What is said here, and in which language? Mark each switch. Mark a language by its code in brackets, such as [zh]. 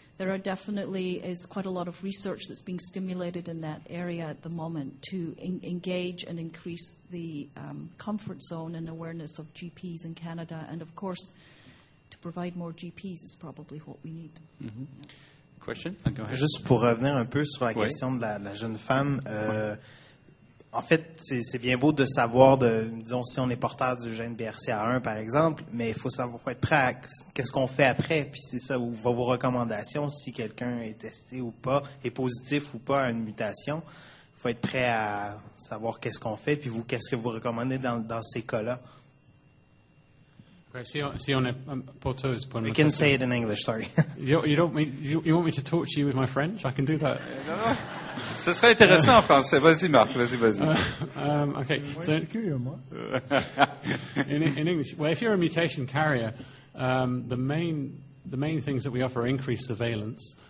[en] There are definitely is quite a lot of research that's being stimulated in that area at the moment to engage and increase the comfort zone and awareness of GPs in Canada. And, of course, to provide more GPs is probably what we need. Mm-hmm. Yeah. Question? [fr] Juste pour revenir un peu sur la question de la jeune femme, en fait, c'est bien beau de savoir, disons, si on est porteur du gène BRCA1, par exemple, mais il faut savoir, faut être prêt à qu'est-ce qu'on fait après, puis c'est ça, ou vos recommandations, si quelqu'un est testé ou pas, est positif ou pas à une mutation, il faut être prêt à savoir qu'est-ce qu'on fait, puis vous, qu'est-ce que vous recommandez dans ces cas-là? Si on est porteur, c'est pas une mutation. [en] We can say it in English, sorry. You want me to torture you with my French? I can do that. [fr] Ce serait intéressant en français. Vas-y, Marc. Vas-y. [en] Okay. [fr] So, je suis curieux, moi. [en] In English, well, if you're a mutation carrier, the main things that we offer are increased surveillance.